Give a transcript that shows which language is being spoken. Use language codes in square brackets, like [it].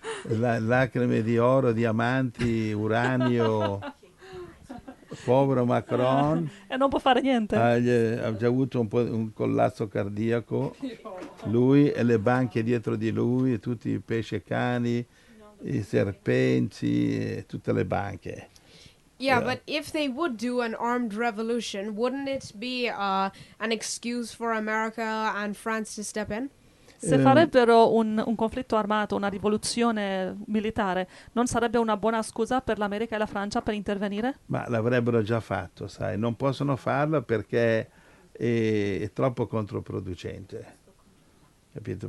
[it] Lacrime di oro, diamanti, uranio, povero Macron, non può fare niente. ha già avuto un collasso cardiaco, lui e le banche dietro di lui, tutti i pesce cani, i serpenti, tutte le banche. [en] Yeah, but if they would do an armed revolution, wouldn't it be an excuse for America and France to step in? [it] Se farebbero un conflitto armato, una rivoluzione militare, non sarebbe una buona scusa per l'America e la Francia per intervenire? Ma l'avrebbero già fatto, sai, non possono farlo perché è troppo controproducente. Capito?